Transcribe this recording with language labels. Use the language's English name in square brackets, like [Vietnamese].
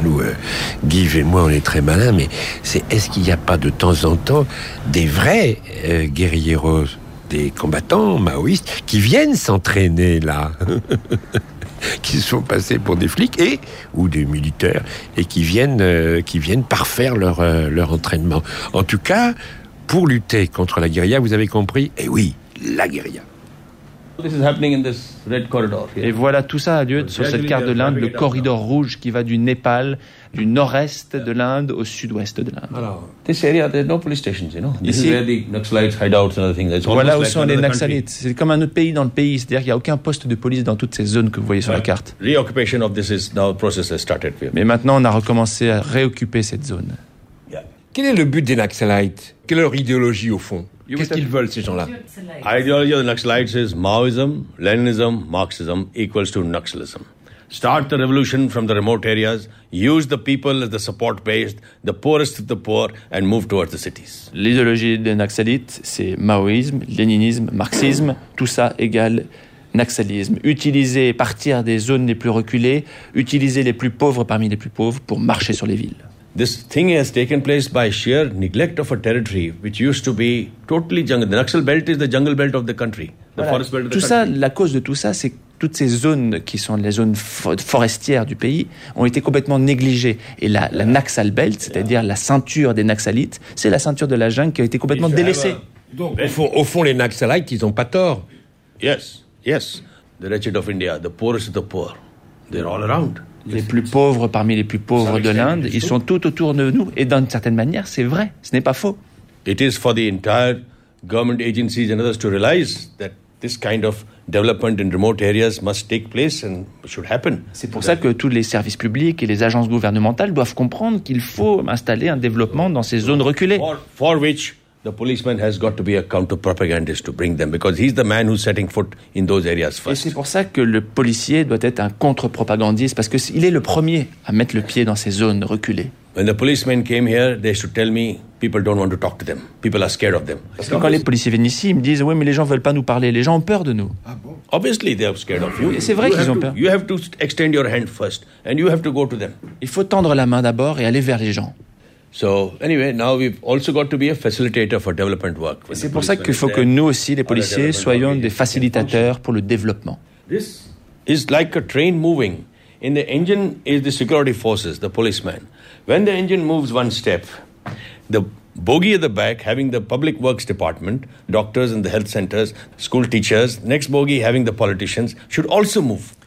[French] Nous, Guy et moi, on est très malins, mais c'est est-ce qu'il n'y a pas de temps en temps des vrais guerrieros, des combattants maoïstes qui viennent s'entraîner là, qui se font passer pour des flics et ou des militaires et qui viennent parfaire leur entraînement. En tout cas, pour lutter contre la guérilla, vous avez compris, eh oui, la guérilla. [English] This is happening in this red corridor. [French] Et voilà, tout ça a lieu sur cette carte de l'Inde, le corridor rouge qui va du Népal, du nord-est de l'Inde au sud-ouest de l'Inde. [English] This area, there are no police stations, you know. This is where the Naxalites hide out and other things. It's [French] voilà où sont les Naxalites. C'est comme un autre pays dans le pays, c'est-à-dire qu'il n'y a aucun poste de police dans toutes ces zones que vous voyez sur la carte. [English] Reoccupation of this is now process has started. [French] Mais maintenant, on a recommencé à réoccuper cette zone. Quel est le but des Naxalites? Quelle est leur idéologie au fond? Qu'est-ce qu'ils veulent ces gens-là? [English] Ideology of the Naxalites is Maoism, Leninism, Marxism equals to Naxalism. Start the revolution from the remote areas, use the people as the support base, the poorest of the poor, and move towards the cities. [French] L'idéologie des Naxalites, c'est Maoïsme, Léninisme, Marxisme, tout ça égale Naxalisme. Utiliser et partir des zones les plus reculées, utiliser les plus pauvres parmi les plus pauvres pour marcher sur les villes. [English] This thing has taken place by sheer neglect of a territory which used to be totally jungle. The Naxal belt is the jungle belt of the country, the voilà. Forest belt of [French] tout [English] the country. [French] Tout ça, la cause de tout ça, c'est toutes ces zones qui sont les zones forestières du pays ont été complètement négligées. Et la Naxal belt, c'est-à-dire la ceinture des Naxalites, c'est la ceinture de la jungle qui a été complètement délaissée. Donc, au fond, les Naxalites, ils n'ont pas tort. [English] Yes. The wretched of India, the poorest of the poor, they're all around. [French] Les plus pauvres parmi les plus pauvres de l'Inde, ils sont tout autour de nous. Et d'une certaine manière, c'est vrai, ce n'est pas faux. [English] It is for the entire government agencies and others to realize that this kind of development in remote areas must take place and should happen. [French] C'est pour ça que tous les services publics et les agences gouvernementales doivent comprendre qu'il faut installer un développement dans ces zones reculées. [English] For which the policeman has got to be a counter-propagandist to bring them, because he's the man who's setting foot in those areas first. [French] Et c'est pour ça que le policier doit être un contre-propagandiste, parce qu'il est le premier à mettre le pied dans ces zones reculées. [English] When the policemen came here, they should tell me people don't want to talk to them. People are scared of them. [French] Parce que quand les policiers viennent ici, ils me disent, oui, mais les gens veulent pas nous parler. Les gens ont peur de nous. Ah bon? [English] Obviously, they are scared of you. [French] Et c'est vrai [English] you [French] qu'ils ont peur. [English] You have to extend your hand first, and you have to go to them. [French] Il faut tendre la main d'abord et aller vers les gens. [English] So anyway, now we've also got to be a facilitator for development work. [French] C'est pour ça qu'il faut que nous aussi, les policiers, soyons des facilitateurs pour le développement. [English] This is like a train moving. In the engine is the security forces, the policemen. When the engine moves one step, the bogie at the back having the public works department, doctors in the health centers, school teachers, next bogie having the politicians should also move.